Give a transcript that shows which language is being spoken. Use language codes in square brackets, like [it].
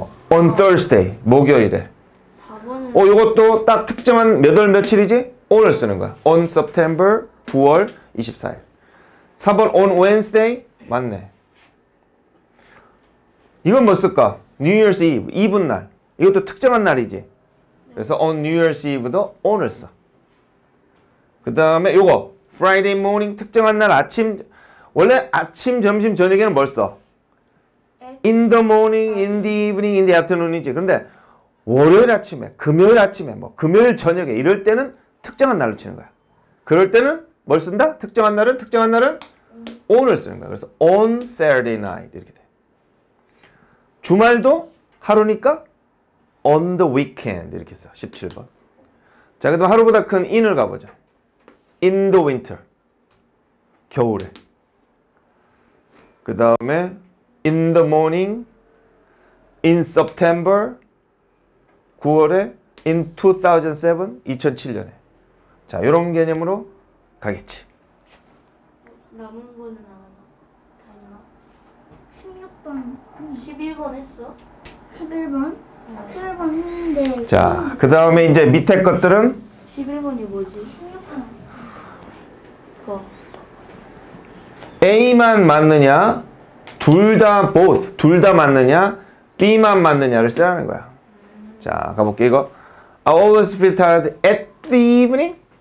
[en] On Thursday, [ko] 목요일에. 4번은? 이것도 딱 특정한 몇월 며칠이지? 오늘 쓰는 거야. [en] On September, [ko] 9월 24일. 4번 [en] on Wednesday? [ko] 맞네. 이건 뭐 쓸까? New Year's Eve, 이브날. 이것도 특정한 날이지. 그래서 [en] on New Year's Eve [ko] 도 on을 써. 그 다음에 요거 [en] Friday morning, [ko] 특정한 날 아침. 원래 아침, 점심, 저녁에는 뭘 써? [en] In the morning, in the evening, in the afternoon이지. [ko] 그런데 월요일 아침에, 금요일 아침에, 뭐 금요일 저녁에 이럴 때는 특정한 날로 치는 거야. 그럴 때는 뭘 쓴다? 특정한 날은? 특정한 날은? on을 쓰는 거야. 그래서 [en] on Saturday night [ko] 이렇게 돼. 주말도 하루니까 [en] on the weekend [ko] 이렇게 써. 17번. 자, 그럼 하루보다 큰 in을 가보자. [en] In the winter. [ko] 겨울에. [en] 그 다음에 in the morning, in September, [ko] 9월에, [en] in 2007, [ko] 2007년에. 자, 이런 개념으로 가겠지. 남은 거는 안 하나? 다 있나? 16번. 11번 했어? 11번? 네. 11번 했는데. 자, 그 다음에 이제 밑에 것들은? 11번이 뭐지? 16번. 거. A만 맞느냐? 둘 다 both, 둘 다 맞느냐, B만 맞느냐를 써야 하는 거야. 자, 가볼게. 이거 [en] I always feel tired at the evening?